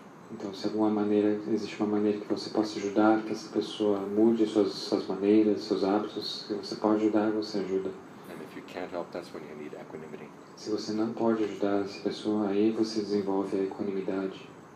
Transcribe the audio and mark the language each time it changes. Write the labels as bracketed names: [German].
[Portuguese] Então, se alguma maneira, existe uma maneira que você possa ajudar que essa pessoa mude suas maneiras, seus hábitos, que você pode ajudar, você ajuda. [English] And if you can't help, that's when you need equanimity. [Portuguese] Se você não pode ajudar essa pessoa, aí você desenvolve a equanimidade.